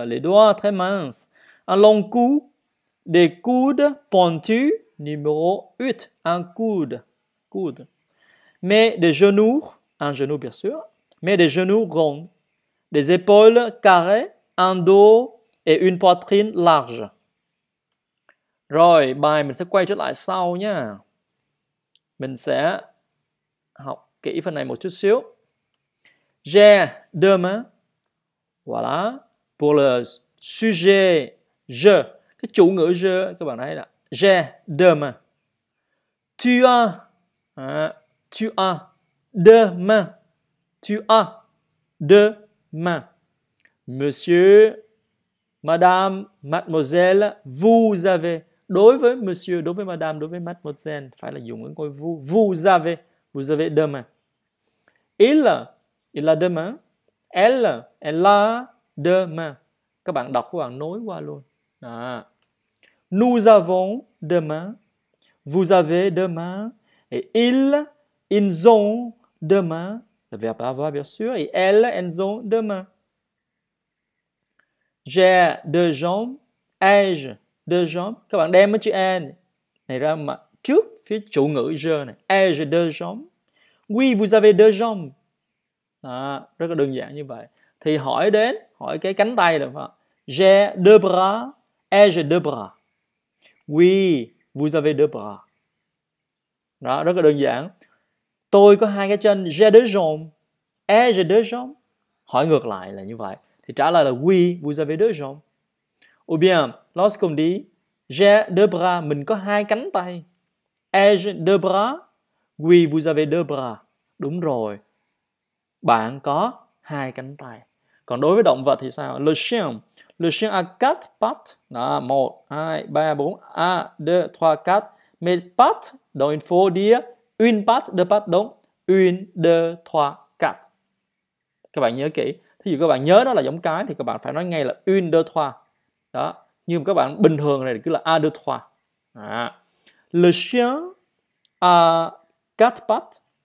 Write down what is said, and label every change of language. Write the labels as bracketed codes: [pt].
[fr] Les doigts très minces. Un long cou. Des coudes pointus. Numéro 8. Un coude. Coude. Mais des genoux. Un genou, bien sûr, mais des genoux ronds, des épaules carrées, un dos et une poitrine large. [vi] Rồi, bài mình sẽ quay trở lại sau nha. Mình sẽ học kỹ phần này một chút xíu. [fr] J'ai deux mains. Voilà. Pour le sujet, je. [vi] Cái chủ ngữ je, các bạn thấy là [fr] j'ai deux mains. Tu as. À, tu as. Deux mains. Tu as deux mains. Monsieur, madame, mademoiselle, vous avez. [vi] Đối với monsieur, đối với madame, đối với mademoiselle, phải là dùng cái vous. [fr] Vous avez deux mains. Il a deux mains. Elle a deux mains. [vi] Các bạn đọc, các bạn nối qua luôn. [fr] Đó. Nous avons deux mains. Vous avez deux mains. Et ils ont deux mains, le verbe avoir bien sûr, et elles ont deux mains. J'ai deux jambes, ai-je deux jambes. [vi] Các bạn đem cái chữ en này ra mà trước phía chủ ngữ je này. [fr] Ai-je deux jambes. Oui, vous avez deux jambes. [vi] Đó, rất là đơn giản như vậy. Thì hỏi đến, hỏi cái cánh tay được không? [fr] J'ai deux bras, ai-je deux bras. Oui, vous avez deux bras. [vi] Đó, rất là đơn giản. Tôi có hai cái chân, [fr] j'ai deux jambes. J'ai deux jambes. [vi] Hỏi ngược lại là như vậy. Thì trả lời là [fr] oui, vous avez deux jambes. Ou bien, lorsqu'on dit j'ai deux bras, [vi] mình có hai cánh tay. [fr] J'ai deux bras. Oui, vous avez deux bras. [vi] Đúng rồi. Bạn có hai cánh tay. Còn đối với động vật thì sao? [fr] Le chien a quatre pattes. Đó, 1, 2, 3, 4, 1, 2, 3, 4. Mais pattes, donc il faut dire une patte, deux pattes, donc une, deux, trois, quatre. [vi] Các bạn nhớ kỹ. Thí dụ các bạn nhớ nó là giống cái thì các bạn phải nói ngay là [fr] une, deux, trois. [vi] Đó. Như các bạn bình thường này cứ là a, deux, trois. Đó. [fr] Le chien a quatre pattes.